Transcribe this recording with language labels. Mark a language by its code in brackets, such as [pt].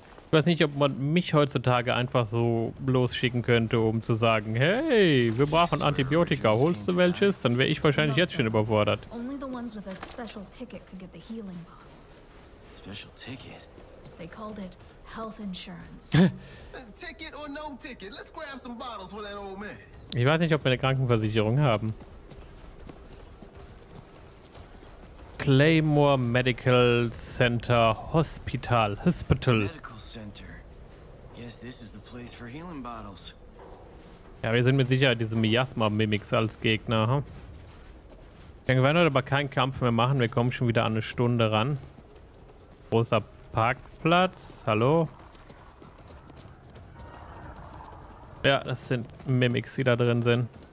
[de] Ich weiß nicht, ob man mich heutzutage einfach so losschicken könnte, um zu sagen, hey, wir brauchen Antibiotika, holst du welches? Dann wäre ich wahrscheinlich jetzt schon überfordert. [en] Only the ones with a special ticket could get the healing bottles. Special ticket? They called it health insurance. Ticket or no ticket, let's grab some bottles for that old man. [de] Ich weiß nicht, ob wir eine Krankenversicherung haben. [en] Claymore Medical Center Hospital. Medical Center. Guess this is the place for healing bottles. [de] Ja, wir sind mit Sicherheit diese Miasma-Mimics als Gegner. Huh? Ich denke, wir werden heute aber keinen Kampf mehr machen. Wir kommen schon wieder an eine Stunde ran. Großer Parkplatz. Hallo? Ja, das sind Mimics, die da drin sind.